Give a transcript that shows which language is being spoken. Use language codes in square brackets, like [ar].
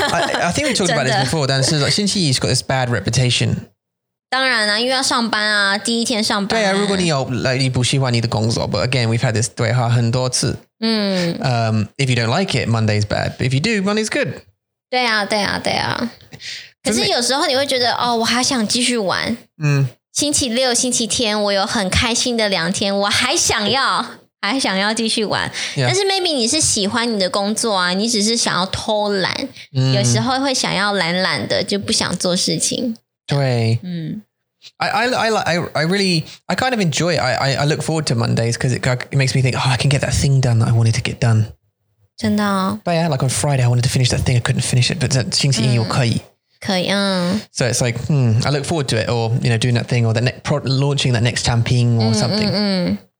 [en] I think we talked about this before, 但是 like, 星期一 has got this bad reputation. [zh] 当然啊，因为要上班啊，第一天上班。对啊，如果你有来，你不喜欢你的工作 ， [en] But again, we've had this [zh] 对话很多次。 [en] If you don't like it, Monday's bad. If you do, Monday's good. [zh] 对啊，对啊，对啊。可是有时候你会觉得，哦，我还想继续玩。星期六、星期天，我有很开心的两天，我还想要继续玩。 [en] Yeah. [zh] 但是 maybe 你是喜欢你的工作啊，你只是想要偷懒，有时候会想要懒懒的，就不想做事情。 [en] Joy. I kind of enjoy it. I look forward to Mondays because it makes me think, oh, I can get that thing done that I wanted to get done. [zh] 真的哦? [en] But yeah, like on Friday, I wanted to finish that thing. I couldn't finish it, but [zh] 星期一我可以。可以啊。 [en] So it's like, I look forward to it or, you know, doing that thing or that launching that next champion or something.